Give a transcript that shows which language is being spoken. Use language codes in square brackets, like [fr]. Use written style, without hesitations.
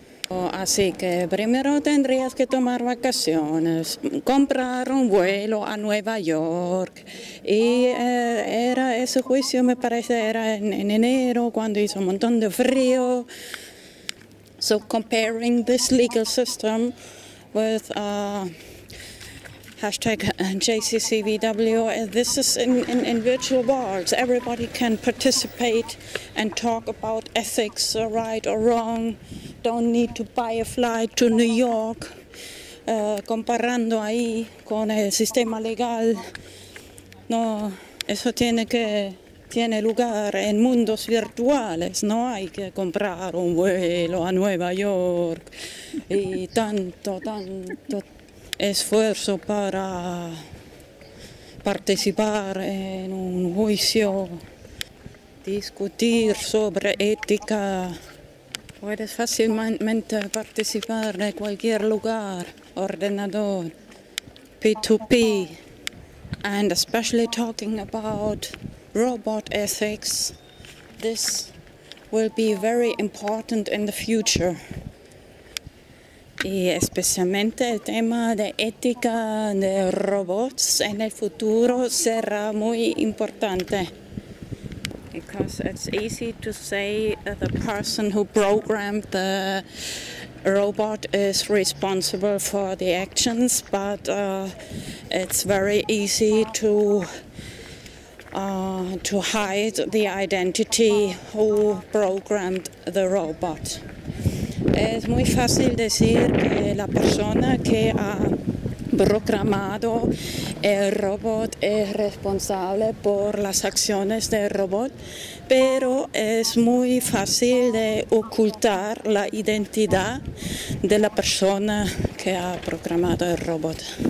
[es] Así que primero tendrías que tomar vacaciones, comprar un vuelo a Nueva York. Y era ese juicio, me parece, era en enero, cuando hizo un montón de frío. [en] So comparing this legal system with hashtag JCCVW, this is in virtual worlds. Everybody can participate and talk about ethics, right or wrong. Don't need to buy a flight to New York. [es] Comparando ahí con el sistema legal, no, eso tiene lugar en mundos virtuales. No hay que comprar un vuelo a Nueva York y tanto esfuerzo para participar en un juicio, discutir sobre ética. Puedes fácilmente participar en cualquier lugar, ordenador, [en] P2P, and especially talking about robot ethics, this will be very important in the future. [es] Y especialmente el tema de ética de robots en el futuro será muy importante. [en] Because it's easy to say the person who programmed the robot is responsible for the actions, but it's very easy to hide the identity who programmed the robot. [es] Es muy fácil decir que la persona que ha programado el robot es responsable por las acciones del robot, pero es muy fácil de ocultar la identidad de la persona que ha programado el robot.